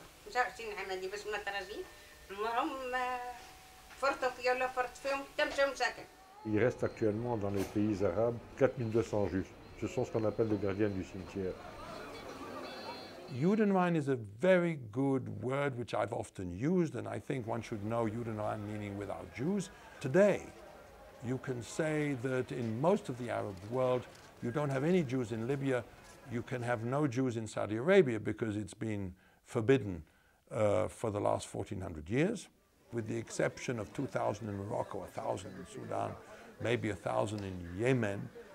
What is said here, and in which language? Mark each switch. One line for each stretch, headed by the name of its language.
French: مشاعتين عمدي بس ما ترجين مرهم فرطت يلا فرط فيهم تمشي مساكن. Il reste actuellement dans les pays arabes 4200 juifs. Ce sont ce qu'on appelle les gardiens du cimetière.
English: Judenwein is a very good word which I've often used, and I think one should know Judenwein meaning without Jews. Today, you can say that in most of the Arab world, you don't have any Jews in Libya, you can have no Jews in Saudi Arabia because it's been forbidden for the last 1400 years, with the exception of 2,000 in Morocco, 1,000 in Sudan, maybe 1,000 in Yemen.